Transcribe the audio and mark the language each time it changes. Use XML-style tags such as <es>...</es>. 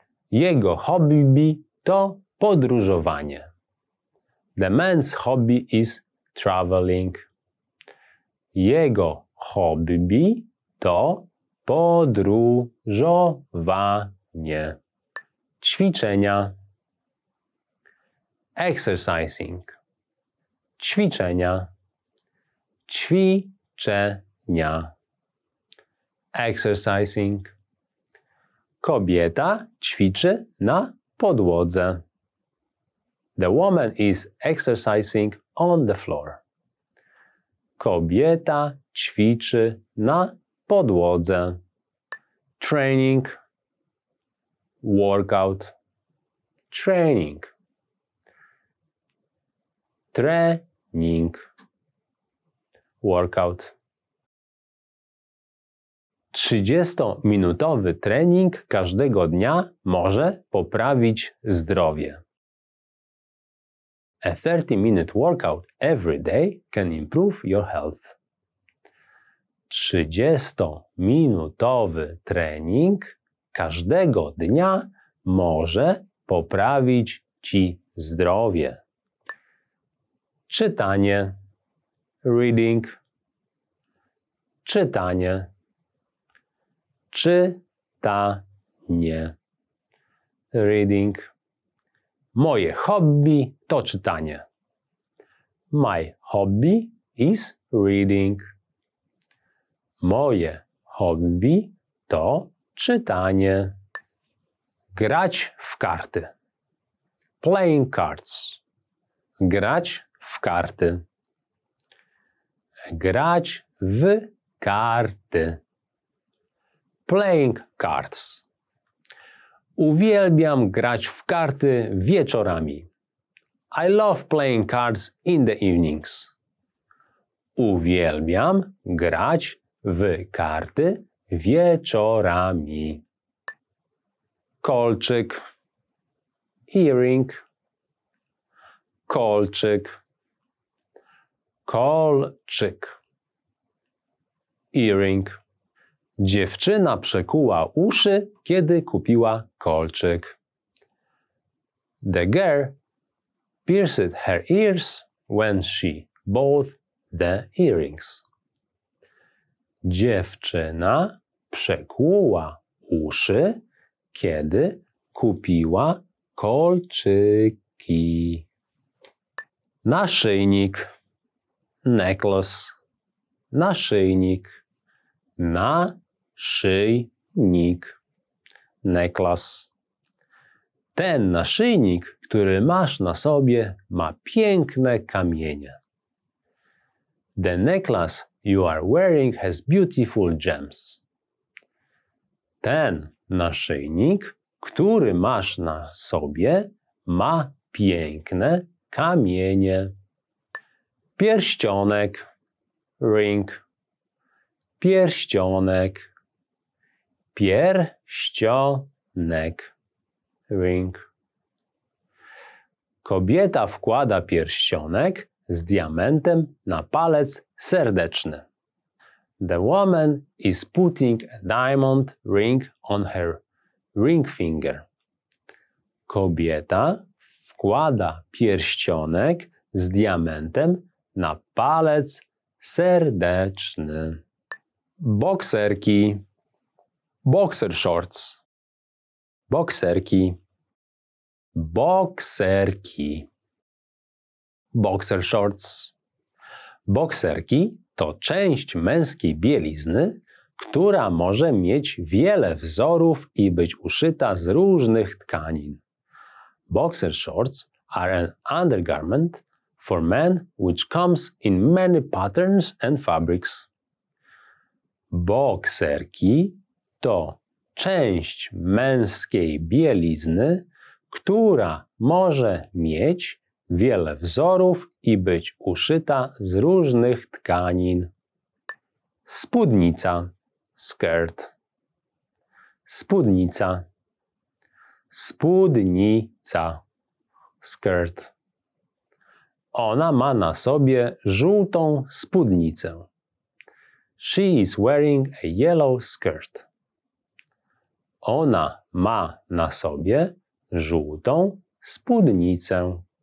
<pl>Jego hobby to podróżowanie.</pl> <en>The man's hobby is traveling.</en> <pl>Jego hobby to podróżowanie. Ćwiczenia.</pl> <en>Exercising.</en> <pl>Ćwiczenia. Ćwiczenia.</pl> <en>Exercising.</en> <pl>Kobieta ćwiczy na podłodze.</pl> <en>The woman is exercising on the floor.</en> <pl>Kobieta ćwiczy na podłodze.</pl> <en>Training. Workout. Training. Training. Workout.</en> <pl>30-minutowy trening każdego dnia może poprawić zdrowie.</pl> <en>A 30-minute workout every day can improve your health.</en> <pl>30-minutowy trening każdego dnia może poprawić Ci zdrowie. Czytanie.</pl> <en>Reading.</en> <pl>Czytanie. Czytanie.</pl> <en>Reading.</en> <pl>Moje hobby to czytanie.</pl> <en>My hobby is reading.</en> <pl>Moje hobby to czytanie. Grać w karty.</pl> <en>Playing cards.</en> <pl>Grać w karty. Grać w karty.</pl> <en>Playing cards.</en> <pl>Uwielbiam grać w karty wieczorami.</pl> <en>I love playing cards in the evenings.</en> <pl>Uwielbiam grać w karty wieczorami. Kolczyk.</pl> <en>Earring.</en> <pl>Kolczyk. Kolczyk.</pl> <en>Earring.</en> <pl>Dziewczyna przekuła uszy, kiedy kupiła kolczyk.</pl> <en>The girl pierced her ears when she bought the earrings.</en> <pl>Dziewczyna przekuła uszy, kiedy kupiła kolczyki. Naszyjnik.</pl> <en>Necklace.</en> <pl>Naszyjnik. Naszyjnik.</pl> <en>Necklace.</en> <pl>Ten naszyjnik, który masz na sobie, ma piękne kamienie.</pl> <en>The necklace you are wearing has beautiful gems.</en> <pl>Ten naszyjnik, który masz na sobie, ma piękne kamienie. Pierścionek.</pl> <en>Ring.</en> <pl>Pierścionek. Pierścionek.</pl> <en>Ring.</en> <pl>Kobieta wkłada pierścionek z diamentem na palec serdeczny.</pl> <en>The woman is putting a diamond ring on her ring finger.</en> <pl>Kobieta wkłada pierścionek z diamentem na palec serdeczny. Bokserki.</pl> <en>Boxer shorts.</en> <pl>Bokserki. Bokserki.</pl> <en>Boxer shorts.</en> <pl>Bokserki to część męskiej bielizny, która może mieć wiele wzorów i być uszyta z różnych tkanin.</pl> <en>Boxer shorts are an undergarment for men which comes in many patterns and fabrics.</en> <pl>Bokserki to część męskiej bielizny, która może mieć wiele wzorów i być uszyta z różnych tkanin. Spódnica.</pl> <en>Skirt.</en> <pl>Spódnica. Spódnica.</pl> <en>Skirt.</en> <pl>Ona ma na sobie żółtą spódnicę.</pl> <en>She is wearing a yellow skirt.</en> <pl>Ona ma na sobie żółtą spódnicę.</pl>